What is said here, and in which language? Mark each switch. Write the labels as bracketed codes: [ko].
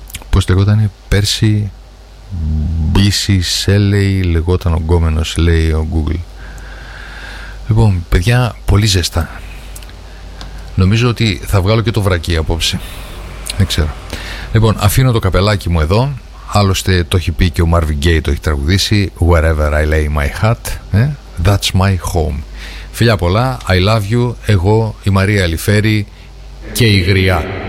[el] Πώς λεγότανε πέρσι? Μπίση Σέλεϊ λεγόταν ο γκόμενος, λέει ο Google. Λοιπόν, παιδιά, πολύ ζεστά. Νομίζω ότι θα βγάλω και το βρακί απόψε. Δεν ξέρω. Λοιπόν, αφήνω το καπελάκι μου εδώ. Άλλωστε το έχει πει και ο Marvin Gaye, το έχει τραγουδήσει. [en] Wherever I lay my hat, that's my home. [el] Φιλιά πολλά, [en] I love you, [el] εγώ, η Μαρία Αλιφέρη και η Γριά.